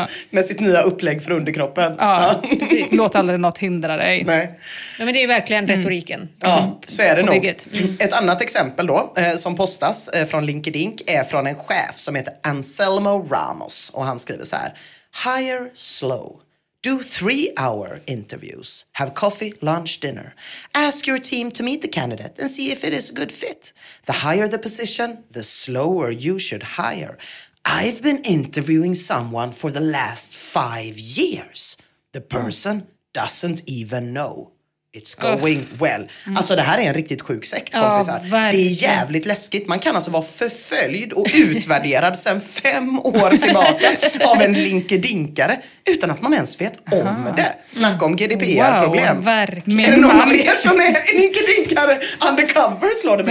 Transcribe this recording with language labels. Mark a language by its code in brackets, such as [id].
[sv] Med sitt nya upplägg för underkroppen. Ja. Låt aldrig något hindra dig. Nej. Ja, men det är verkligen retoriken. Mm. Ja, så är det nog. Ett annat exempel då som postas från LinkedIn är från en chef som heter Anselmo Ramos. Och han skriver så här. [en] Hire slow. Do 3-hour interviews, have coffee, lunch, dinner. Ask your team to meet the candidate and see if it is a good fit. The higher the position, the slower you should hire. I've been interviewing someone for the last 5 years. The person doesn't even know. It's going well. Mm. [sv] Alltså det här är en riktigt sjuk sekt, kompisar. Oh, det är jävligt läskigt. Man kan alltså vara förföljd och utvärderad sedan 5 år tillbaka av en LinkedIn-kare utan att man ens vet om det. Snacka om GDPR-problem. Wow, verkligen. Är det någon av er som är en LinkedIn-kare undercover, slår det mig.